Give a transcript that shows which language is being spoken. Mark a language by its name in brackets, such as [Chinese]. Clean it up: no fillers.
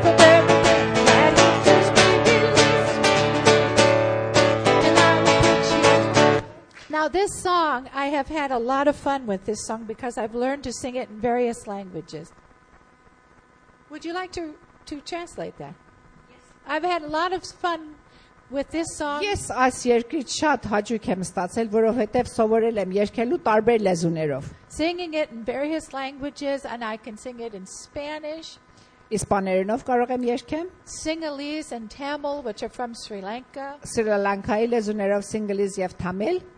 [English] From everything that hinders me. Release me. And I will put you. Now this song, I have had a lot of fun with this song because I've learned to sing it in various languages. Would you like to translate that? Yes. I've had a lot of fun with this song. [Armenian] Yes, այս երգից շատ հաճույք եմ ստացել, որովհետև սովորել եմ երգելու տարբեր լեզուներով. [English] Singing it in various languages, and I can sing it in Spanish. [Armenian] Իսպաներենով կարող եմ երգեմ. [English] Sinhalese and Tamil, which are from Sri Lanka. [Armenian] Սրի Լանկայի լեզուներով Sinhalese եւ Tamil.